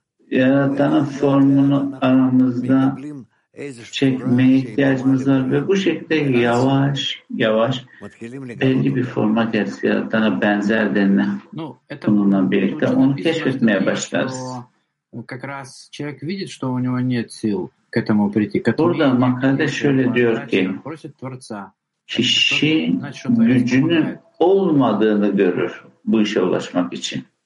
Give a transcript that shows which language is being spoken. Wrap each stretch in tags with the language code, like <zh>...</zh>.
<tr>Yaratan'ın formunu aramızda çekmeye ihtiyacımız var ve bu şekilde yavaş yavaş belli bir forma gelsin Yaratan'a benzer denilen bununla birlikte onu keşfetmeye başlarız.</tr> <ru>Как раз человек видит, что у него нет сил к этому прийти.</ru> <tr>Burada makalede şöyle diyor ki, kişi gücünün olmadığını görür bu işe ulaşmak için.</tr>